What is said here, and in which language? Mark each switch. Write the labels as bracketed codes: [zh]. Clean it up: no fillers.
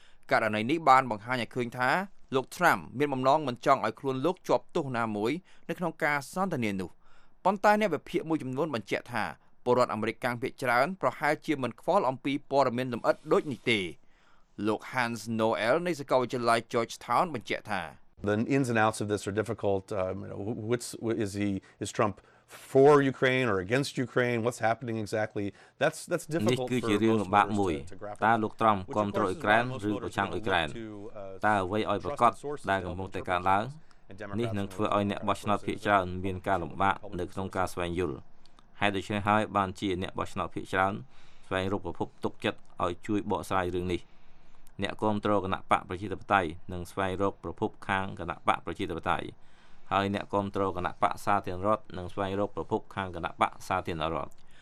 [km] ករណីនេះបានបង្ហាញឲ្យឃើញថាលោក Trump មានបំណងមិនចង់ឲ្យខ្លួនលោកជាប់ទោសណាមួយនៅក្នុងការសន្ទនានោះប៉ុន្តែអ្នកវិភាគមួយចំនួនបញ្ជាក់ថាពលរដ្ឋអាមេរិកកាំងភាគច្រើនប្រហែលជាមិនខ្វល់អំពីព័ត៌មានលម្អិតដូចនេះទេលោក Hans Noel នៃសាកលវិទ្យាល័យ Georgetown បញ្ជាក់ថា [en] The ins and outs of this are difficult is Trump for Ukraine or against Ukraine what's happening exactly that's difficult [km] គឺជារឿងលំបាកមួយតើលោកត្រាំគ្រប់គ្រងអ៊ុយក្រែនឬប្រឆាំងអ៊ុយក្រែនតើអ្វីឲ្យប្រកាសដែលកំពុងតែកើតឡើងនេះនឹងធ្វើឲ្យអ្នកបោះឆ្នោតភាគច្រើនមានការលំបាកនៅក្នុងការស្វែងយល់ហើយដូច្នេះហើយបានជាអ្នកបោះឆ្នោតភាគច្រើនស្វែងរកប្រភពទុកចិត្តឲ្យជួយបកស្រាយរឿងនេះអ្នកគ្រប់គ្រងគណៈបកប្រជាធិបតេយ្យនឹងស្វែងរកប្រភពខាងគណៈបកប្រជាធិបតេយ្យហើយអ្នកគាំទ្រគណៈបកសាធារណរដ្ឋនឹងស្វែងរកប្រភពខាងគណៈបកសាធារណរដ្ឋ